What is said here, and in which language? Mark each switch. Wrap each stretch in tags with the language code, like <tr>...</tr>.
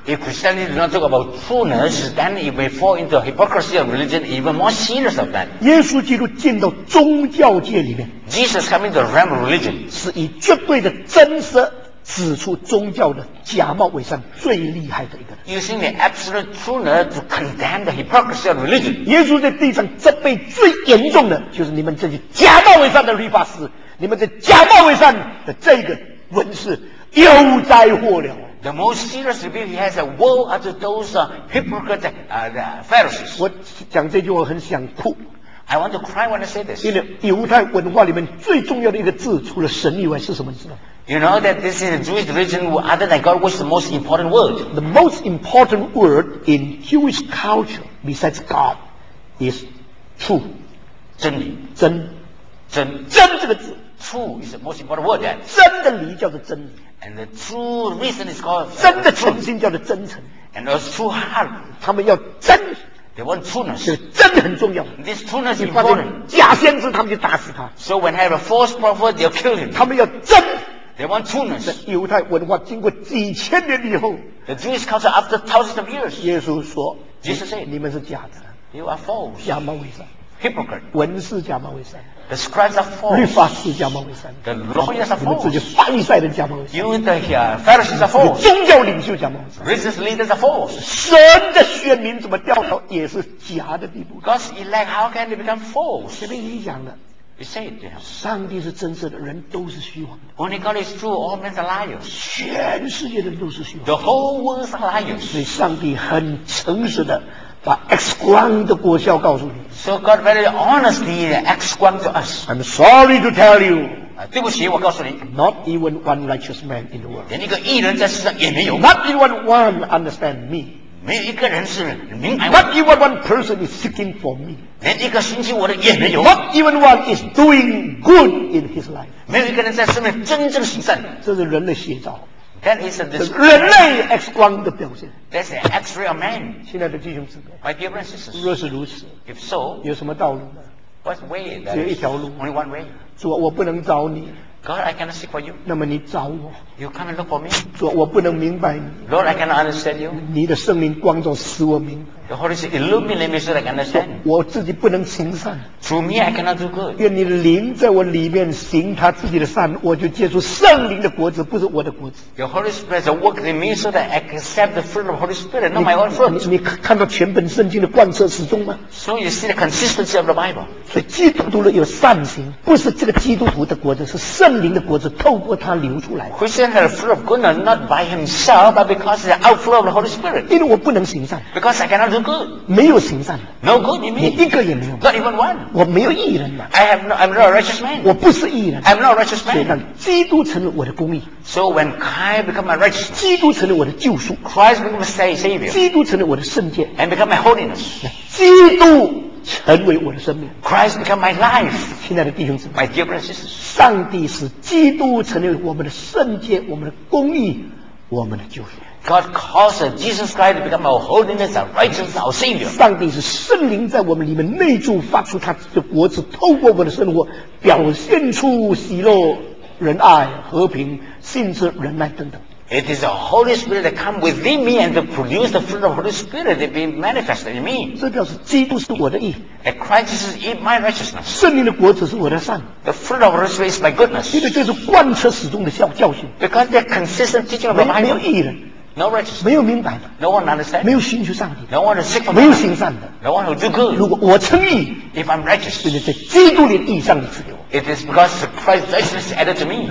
<en>If Christianity does not talk about trueness, then it may fall into hypocrisy of religion, even more serious of that.</en> <zh>耶稣基督进到宗教界里面</zh> <en>，Jesus coming to the realm of religion,</en> <zh>是以绝对的真实。指出宗教的假冒伪善最厉害的一个人。</zh> <en>Using the absolute truth to condemn the hypocrisy of religion.</en> <zh>耶稣在地上责备最严重的就是你们这些假冒伪善的律法师，你们这假冒伪善的这个文士，又灾祸了。</zh> <en>The most serious rebuke he has a woe unto those hypocrites, the Pharisees.</en> <zh>我讲这句我很想哭。</zh> <en>I want to cry when I say this.</en> <zh>因为犹太文化里面最重要的一个字，除了神以外是什么？你知道？</zh> <en>You know that this is a Jewish religion other than God, which is the most important word. The most important word in Jewish culture besides God is true.</en> <zh>真理。真。真。真这个字。</zh> <en>True is the most important word.</en> <zh>真的理叫做真理。</zh> <en>And the true reason is called</en> <zh>真的诚心叫做真诚。</zh> <en>And the true heart.</en> <zh>他们要真。</zh> <en>They want trueness.</en> <zh>真的很重要。</zh> <en>This trueness is important.</en> <zh>假先知他们就打死他。</zh> <en>So when they have a false prophet, they'll kill him.</en> <zh>他们要真。</zh> <en>They want trueness.</en> <zh>犹太文化经过几千年以后</zh> <en>，The Jewish culture after thousands of years.</en> <zh>耶稣说</zh> <en>，Jesus said,</en> <zh>你们是假的</zh> <en>，You are false.</en> <zh>假冒伪善</zh> <en>hypocrite.</en> <zh>文士假冒为善。</zh> <en>The scribes are false.</en> <zh>律法师假冒为善。</zh> <en>The lawyers are false.</en> <zh>你们这些法利赛人假冒为善。</zh> <en>You and the Pharisees are false.</en> <zh>宗教领袖假冒为善。</zh> <en>Religious leaders are false.</en> <zh>神的选民怎么掉头也是假的地步。</zh> <en>God's elect, how can they become false?</en> <zh>前面已经讲了。</zh> <en>He said to him,</en> <zh>上帝是真实的，人都是虚妄的。</zh> <en>Only God is true, all men are liars.</en> <zh>全世界的人都是虚妄的。</zh> <en>The whole world are liars.</en> <zh>所以上帝很诚实的把 X 光的果效告诉你。</zh> <en>So God very honestly X 光 to us. I'm sorry to tell you.</en> <zh>对不起，我告诉你。</zh> <en>Not even one righteous man in the world.</en> <zh>连一个义人在世上也没有。</zh> <en>Not even one understand me.</en> <zh>没有一个人是明白。</zh> <en>Not even one person is seeking for me.</en> <zh>连一个星期我的也没有。</zh> <en>Not even one is doing good in his life.</en> <zh>没有一个人在生命真正行善。这是人类写照。</zh> <en>That is a this.</en> <zh>人类 X 光的表现。</zh> <en>That's an X-ray of man.</en> <zh>亲爱的弟兄姊妹。</zh> <en>My dear brothers and sisters.</en> <zh>若是如此。</zh> <en>If so.</en> <zh>有什么道路呢</zh> <en>？What way?</en> <zh>只有一条路。</zh> <en>Only one way.</en> <zh>主，我不能找你。</zh> <en>God, I cannot seek for you.</en> <zh>那么你找我。</zh> <en>You come and look for me.</en> <zh>主，我不能明白你。</zh> <en>Lord, I cannot understand you.</en> <zh>你的圣灵光照使我明白。</zh> <en>The Holy Spirit illuminates me so that I can understand.</en> <zh>我自己不能行善。</zh> <en>Through me, I cannot do good.</en> <zh>愿你的灵在我里面行他自己的善，我就接触圣灵的果子，不是我的果子。</zh> <en>The Holy Spirit works in me so that I accept the fruit of the Holy Spirit, not my own fruit.</en> <zh>你看到全本圣经的贯彻始终吗</zh> <en>？So you see the consistency of the Bible.</en> <zh>所以基督徒的有善行，不是这个基督徒的果子，是圣灵的果子透过他流出来。</zh> <en>Christian has the fruit of goodness not by himself, but because it's the outflow of the Holy Spirit.</en> <zh>因为我不能行善。</zh> <en>Because I cannot do good.</en> <zh>没有行善</zh> <en>No good, you mean?</en> <zh>你一个也没有</zh> <en>Not even one.</en> <zh>我没有义人</zh> <en>I have no, I'm not a righteous man.</en> <zh>我不是义人</zh> <en>I'm not a righteous man.</en> <zh>所以让基督成了我的公义</zh> <en>So when Christ become my righteous,</en> <zh>基督成了我的救赎</zh> <en>Christ become my savior.</en> <zh>基督成了我的圣洁</zh> <en>And become my holiness.</en> <zh>基督成为我的生命</zh> <en>Christ become my life.</en> <zh>亲爱的弟兄姊妹</zh> <en>My dear brothers and sisters.</en> <zh>上帝使基督成为我们的圣洁我们的公义我们的救赎</zh> <en>God caused Jesus Christ to become our holiness, our righteousness, our Savior.</en> <zh>上帝是圣灵在我们里面内住，发出他的果子，透过我们的生活，表现出喜乐、仁爱、和平、信实、仁爱等等。</zh> <en>It is the Holy Spirit that comes within me and to produce the fruit of the Holy Spirit that be manifested in me.</en> <zh>这表示基督是我的义。</zh> <en>That Christ is my righteousness.</en> <zh>圣灵的果子是我的善。</zh> <en>The fruit of the Holy Spirit is my goodness.</en> <zh>因为这是贯彻始终的教训。</zh> <en>Because the consistent teaching of the Bible.</en> <zh>没有义人。</zh> <en>No righteous.</en> <zh>没有明白的。</zh> <en>No one understand.</en> <zh>没有寻求上帝。</zh> <en>No one seek for.</en> <zh>没有行善的。</zh> <en>No one who do good.</en> <zh>如果我称义</zh> <en>，If I'm righteous,</en> <zh>就是在基督里的义上帝赐给我。</zh> <en>It is because Christ's righteousness added to me.</en>